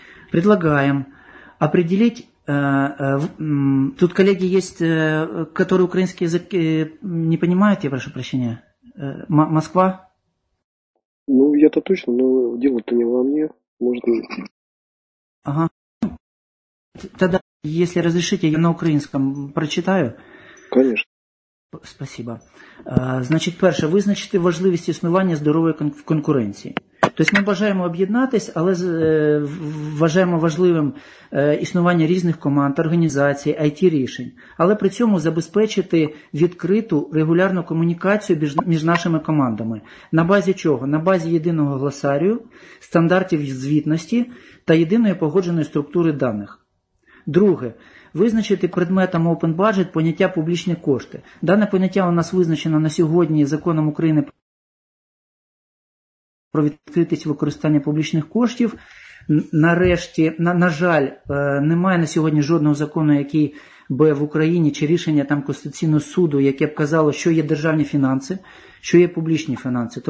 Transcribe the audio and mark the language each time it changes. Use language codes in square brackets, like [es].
[ru] Предлагаем определить, тут коллеги есть, которые украинский язык не понимают, я прошу прощения. Москва? Ну, я-то точно, но дело-то не во мне. Может быть. Ага. Тогда, если разрешите, я на украинском прочитаю. Конечно. Спасибо. Значит, [uk] перше, визначити важливість існування здорової конкуренції. Тобто ми бажаємо об'єднатися, але вважаємо важливим існування різних команд, організацій, IT-рішень. Але при цьому забезпечити відкриту регулярну комунікацію між нашими командами. На базі чого? На базі єдиного глосарію, стандартів звітності та єдиної погодженої структури даних. Друге. Визначити предметом Open Budget поняття публічні кошти. Дане поняття у нас визначено на сьогодні законом України про відкритість використання публічних коштів. Нарешті, на жаль, немає на сьогодні жодного закону, який би в Україні чи рішення там Конституційного суду, яке б казало, що є державні фінанси, що є публічні фінанси.